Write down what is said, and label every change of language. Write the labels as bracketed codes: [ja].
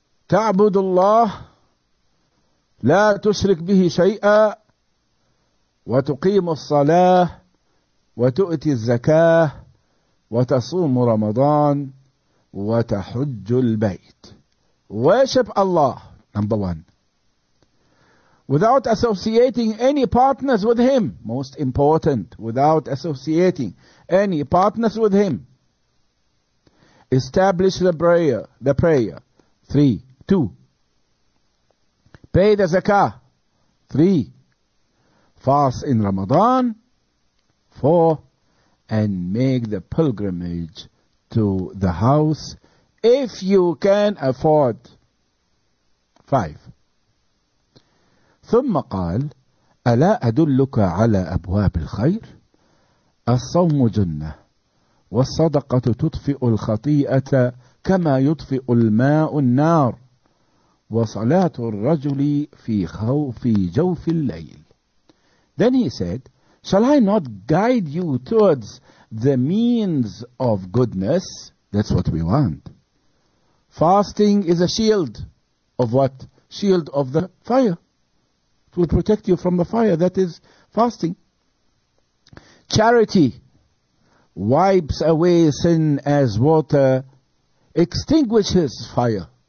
[ar] تعبد الله لا تشرك به شيئا وتقيم الصلاة وتؤتي الزكاة وتصوم رمضان وتحج البيت. [en] Worship Allah, number one. Without associating any partners with him, most important, without associating any partners with him. Establish the prayer. Three. Two, pay the zakah. Three, fast in Ramadan. Four, and make the pilgrimage to the house if you can afford. Five. [ar] ثم قال ألا أدلك على أبواب الخير؟ الصوم جنة والصدقة تطفئ الخطيئة كما يطفئ الماء النار وصلاة الرجل في خوف جوف الليل. [en] Then he said, shall I not guide you towards the means of goodness? That's what we want. Fasting is a shield of what? Shield of the fire. It will protect you from the fire. That is fasting. Charity wipes away sin as water extinguishes fire.